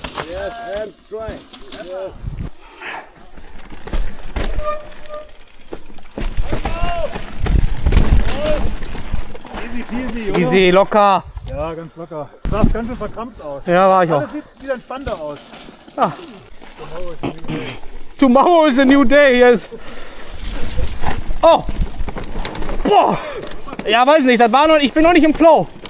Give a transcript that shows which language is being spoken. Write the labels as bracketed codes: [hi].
[en] Yes, I'm trying. [de] Easy peasy, oder? Easy, locker. Ja, ganz locker. Sah ganz schön verkrampft aus. Ja, war ich auch. Das sieht wieder entspannter aus. Ja. [en] Tomorrow is a new day, yes. Oh! Boah! [de] Ja, weiß nicht, das war noch, ich bin noch nicht im Flow.